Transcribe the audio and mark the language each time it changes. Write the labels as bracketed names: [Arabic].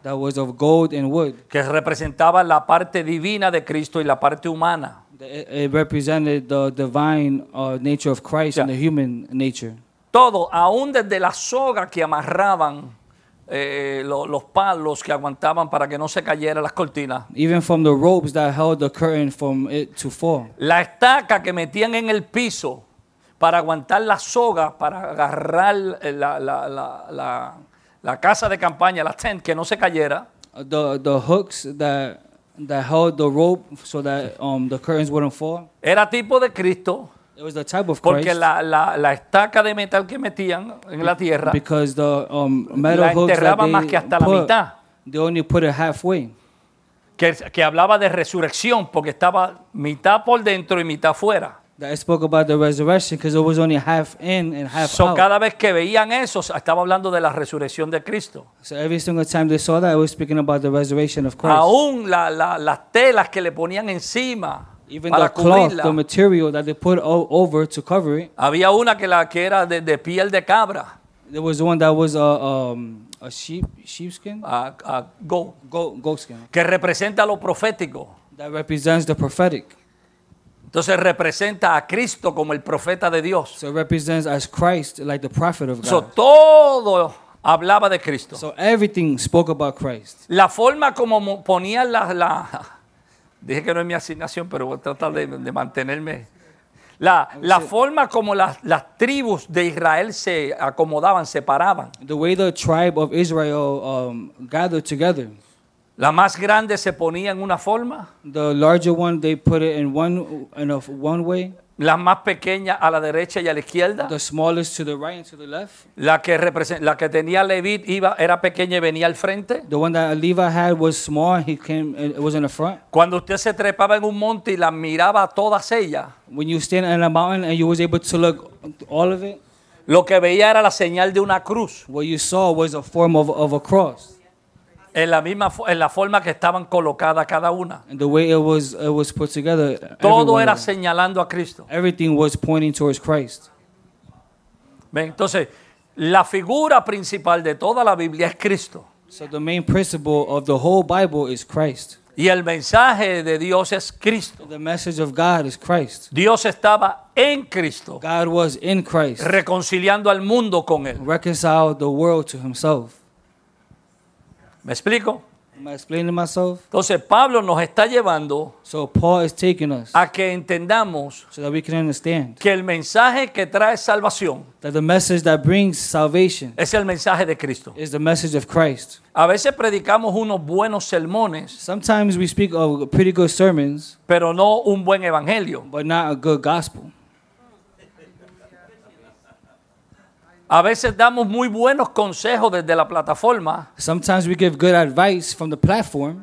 [English] That was of gold and wood. [Spanish] Que representaba la parte divina de Cristo y la parte humana. [English] It represented the divine nature of Christ, yeah, and the human nature. [Spanish] Todo, aún desde la soga que amarraban. Los palos que aguantaban para que no se cayeran las cortinas. [English] Even from the ropes that held the curtain from it to fall. [Spanish] La estaca que metían en el piso para aguantar la soga, para agarrar la casa de campaña, la tent, que no se cayera. [English] The hooks that held the rope so that the curtains wouldn't fall. [Spanish] Era tipo de Cristo. [English] It was the type of [Spanish] porque [English] Christ. [Spanish] La estaca de metal que metían en la tierra. [English] Because the metal hooks that they [Spanish] más que hasta [English] put, [Spanish] la mitad. [English] They only put it halfway. [Spanish] Que hablaba de resurrección porque estaba mitad por dentro y mitad fuera. [English] That it spoke about the resurrection because it was only half in and half so out. [Spanish] So cada vez que veían eso, estaba hablando de la resurrección de Cristo. [English] So every single time they saw that, it was speaking about the resurrection of Christ. [Spanish] Aún las telas que le ponían encima. [English] Even the cloth, the material that they put over to cover it. [Spanish] Había una que era de piel de cabra. [English] There was one that was a sheepskin. [Spanish] Goatskin. Que representa lo profético. [English] That represents the prophetic. [Spanish] Entonces representa a Cristo como el profeta de Dios. [English] So it represents as Christ, like the prophet of God. [Spanish] So todo hablaba de Cristo. [English] So everything spoke about Christ. [Spanish] La forma como ponían la dije que no es mi asignación, pero voy a tratar de mantenerme. La forma como las tribus de Israel se acomodaban, se paraban. [English] The way the tribe of Israel gathered together. [Spanish] La más grande se ponía en una forma. [English] The larger one, they put it in one way. [Spanish] La más pequeña a la derecha y a la izquierda. [English] The smallest to the right and to the left. [Spanish] La que tenía Levit iba era pequeña y venía al frente. [English] The one that Levi had was small and it was in the front. [Spanish] Cuando usted se trepaba en un monte y la miraba todas ellas. [English] When you stand in a mountain and you was able to look all of it. [Spanish] Lo que veía era la señal de una cruz. [English] What you saw was a form of a cross. [Spanish] En la forma que estaban colocadas cada una. [English] And the way it was put together. [Spanish] Todo era señalando a Cristo. [English] Everything was pointing towards Christ. [Spanish] Entonces, la figura principal de toda la Biblia es Cristo. [English] So the main principle of the whole Bible is Christ. [Spanish] Y el mensaje de Dios es Cristo. [English] The message of God is Christ. [Spanish] Dios estaba en Cristo. [English] God was in Christ. [Spanish] Reconciliando al mundo con él. [English] Reconciled the world to himself. [Spanish] ¿Me explico? [English] Am I explaining myself? [Spanish] Entonces Pablo nos está llevando, [English] so Paul is taking us, [Spanish] a que entendamos, [English] so that we can understand, [Spanish] que el mensaje que trae salvación, [English] that the message that brings salvation, [Spanish] es el mensaje de Cristo, [English] is the message of Christ. [Spanish] A veces predicamos unos buenos sermones, [English] sometimes we speak of pretty good sermons, [Spanish] pero no un buen evangelio, [English] but not a good gospel. [Spanish] A veces damos muy buenos consejos desde la plataforma. [English] Sometimes we give good advice from the platform.